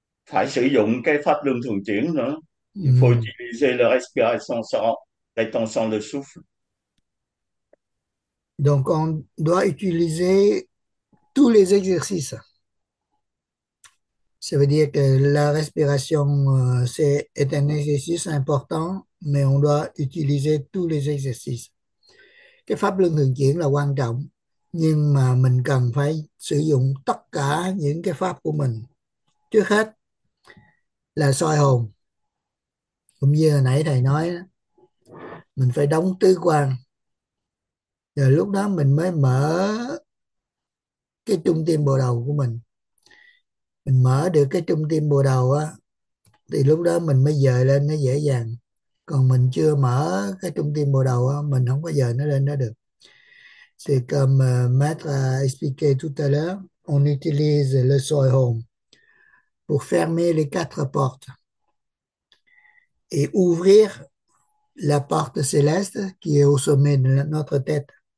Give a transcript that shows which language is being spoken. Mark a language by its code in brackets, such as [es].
[vi] Phải sử dụng cái pháp luân thường chuyển nữa. [fr] Il faut utiliser la respiration sans l'étention du souffle. Donc on doit utiliser tous les exercices. Ça veut dire que la respiration, est un exercice important, mais on doit utiliser tous les exercices. [vi] Cái pháp luân thường chuyển là quan trọng, nhưng mà mình cần phải sử dụng tất cả những cái pháp của mình. Trước hết là soi hồn. Cũng như hồi nãy thầy nói, mình phải đóng tứ quan. Rồi lúc đó mình mới mở cái trung tâm bồ đầu của mình. Mình mở được cái trung tâm bồ đầu á, thì lúc đó mình mới dời lên nó dễ dàng. Còn mình chưa mở cái trung tâm bồ đầu á, mình không có dời nó lên đó được. [fr] C'est comme Maître a expliqué tout à l'heure, on utilise le soi home pour fermer les quatre portes et ouvrir la porte céleste qui est au sommet de notre tête.